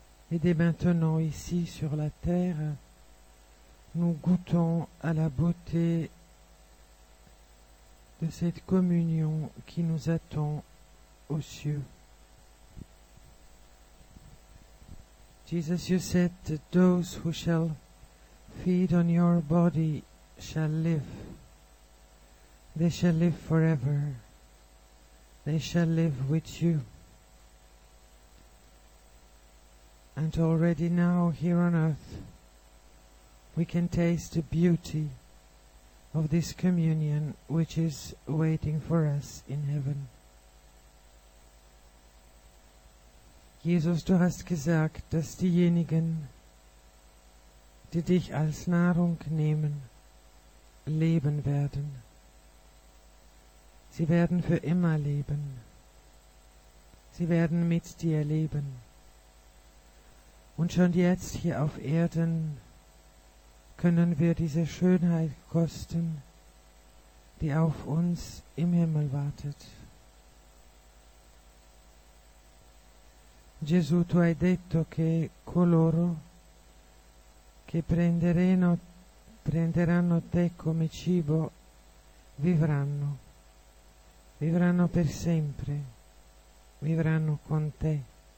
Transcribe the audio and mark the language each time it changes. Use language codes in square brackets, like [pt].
[fr] Et dès maintenant, ici sur la terre, nous goûtons à la beauté de cette communion qui nous attend aux cieux. [en] Jesus, you said that those who shall feed on your body shall live. They shall live forever. They shall live with you. And already now, here on earth, we can taste the beauty of this communion which is waiting for us in heaven. [de] Jesus, du hast gesagt, dass diejenigen, die dich als Nahrung nehmen, leben werden. Sie werden für immer leben. Sie werden mit dir leben. Und schon jetzt hier auf Erden können wir diese Schönheit kosten, die auf uns im Himmel wartet. [it] Gesù, tu hai detto che coloro che prenderanno te come cibo vivranno per sempre, vivranno con te.